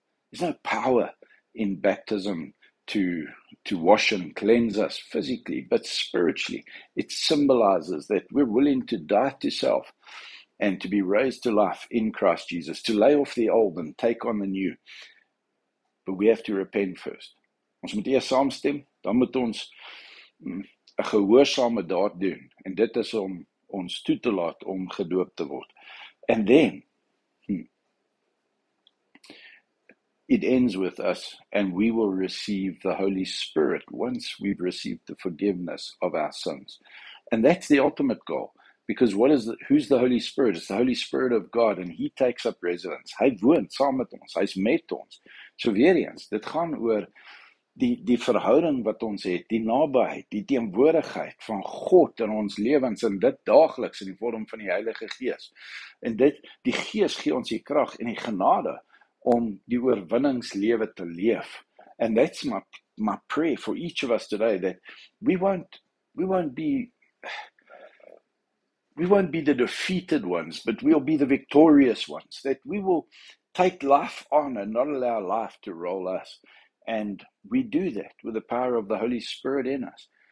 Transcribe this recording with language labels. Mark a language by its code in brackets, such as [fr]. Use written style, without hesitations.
[en] There's no power in baptism to wash and cleanse us physically, but spiritually it symbolizes that we're willing to die to self and to be raised to life in Christ Jesus, to lay off the old and take on the new. But we have to repent first. [af] Ons moet eers saamstem, dan moet ons een gehoorsame daad doen, en dit is om ons toe te laat om gedoop te word. [en] And then, it ends with us, and we will receive the Holy Spirit once we've received the forgiveness of our sins. And that's the ultimate goal, because who's the Holy Spirit? It's the Holy Spirit of God, and he takes up residence. [af] Hy woon saam met ons, hy is met ons. So weer eens, dit gaan oor die verhouding wat ons het, die nabyheid, die teenwoordigheid van God in ons lewens, en dit dagliks in die vorm van die Heilige Gees. En dit, die Gees gee ons die krag en die genade om die oorwinningslewe te leef. [en] And that's my prayer for each of us today, that we won't be the defeated ones, but we'll be the victorious ones, that we will take life on and not allow life to roll us. And we do that with the power of the Holy Spirit in us.